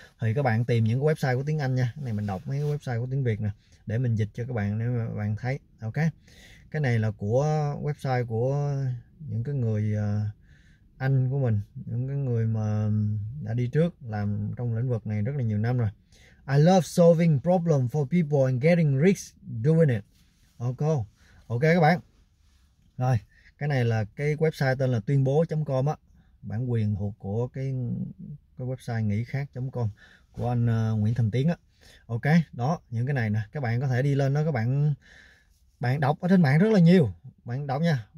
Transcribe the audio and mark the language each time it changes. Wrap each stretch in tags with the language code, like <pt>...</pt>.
<vi>Thì các bạn tìm những cái website của tiếng Anh nha, cái này mình đọc mấy cái website của tiếng Việt nè để mình dịch cho các bạn nếu mà bạn thấy. Ok, cái này là của website của những cái người anh của mình, những cái người mà đã đi trước làm trong lĩnh vực này rất là nhiều năm rồi.</vi> <en>I love solving problem for people and getting rich doing it.</en> <vi>Ok, ok các bạn. Rồi, cái này là cái website tên là tuyênbố.com á, bản quyền thuộc của cái website nghỉ khác.com của anh Nguyễn Thành Tiến á. Ok, đó, những cái này nè, các bạn có thể đi lên đó, các bạn bạn đọc ở trên mạng rất là nhiều. Bạn đọc nha.</vi>